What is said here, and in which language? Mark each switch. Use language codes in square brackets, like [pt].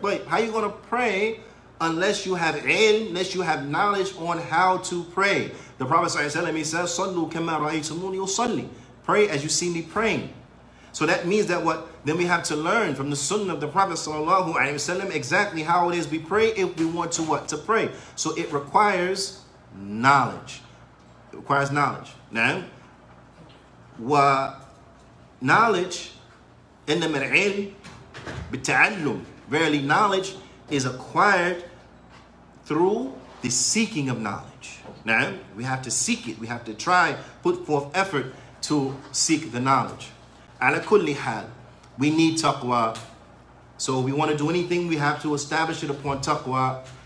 [en] But how are you going to pray unless you have ilm, unless you have knowledge on how to pray? The Prophet Sallallahu Alaihi Wasallam, he says, [ar] صَلُّوا كَمَّا رَأَيْتُمُونِ يُصَلِّي. [en] Pray as you see me praying. So that means that what? Then we have to learn from the sunnah of the Prophet Sallallahu Alaihi Wasallam exactly how it is we pray if we want to what? To pray. So it requires knowledge. It requires knowledge. Now, knowledge, [ar] إِنَّمَ الْعِلْمِ بِتَعَلُّمْ. [en] Verily, knowledge is acquired through the seeking of knowledge. Now, we have to seek it. We have to try, put forth effort to seek the knowledge. [ar] عَلَى كُلِّ حَالٍ. [en] We need taqwa. So if we want to do anything, we have to establish it upon taqwa.